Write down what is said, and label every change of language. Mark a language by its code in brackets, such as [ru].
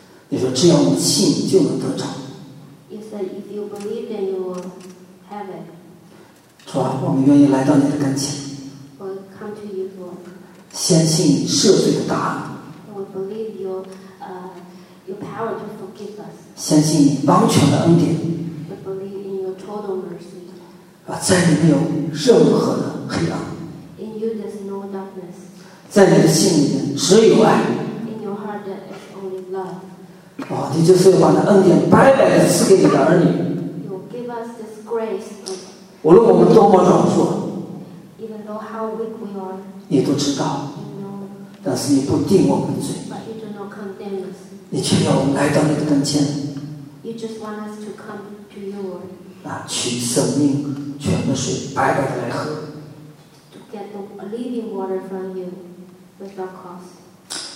[zh] 你说只要我们信就能得着。 [en] You said if you believe then you will have it. [zh] 主啊，我们愿意来到你的跟前。 [en] We come to you, Lord. [zh] 先信你赦罪的大能。 [en] We believe your power to forgive us. [zh] 先信你完全的恩典。 [en] We believe in your total mercy. [zh] 啊，在你没有任何的黑暗。 [en] In you there's no darkness. [zh] 在你的心里面只有爱。 [en] In your heart there is only love. [zh] 哦，你就是要把那恩典白白的赐给你的儿女。 [en] You give us this grace. [zh] 无论我们多么软弱， [en] even though how weak we are, [zh] 你都知道。 [en] You know. [zh] 但是你不定我们罪。 [en] But you do not condemn us. [zh] 你却要我们来到你的跟前。 [en] You just want us to come to you. [zh] 那取生命泉的水白白的来喝。 [en] To get the living water from you without cost.